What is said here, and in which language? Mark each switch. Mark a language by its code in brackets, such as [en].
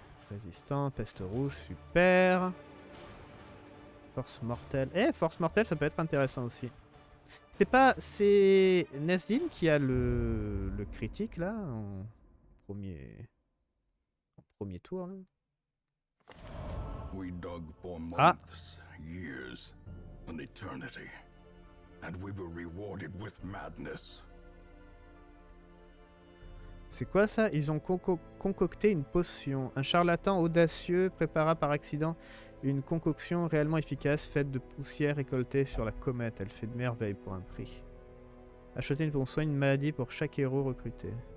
[fr] Résistant, peste rouge, super. Force mortelle. Eh, force mortelle, ça peut être intéressant aussi. C'est pas... C'est Nesdin qui a le critique, là, en premier tour. Là. [en] We dug for months, years, an eternity. And we were rewarded with madness. [fr] C'est quoi ça? Ils ont concocté une potion. Un charlatan audacieux prépara par accident une concoction réellement efficace faite de poussière récoltée sur la comète. Elle fait de merveille pour un prix. Acheter une potion, une maladie pour chaque héros recruté.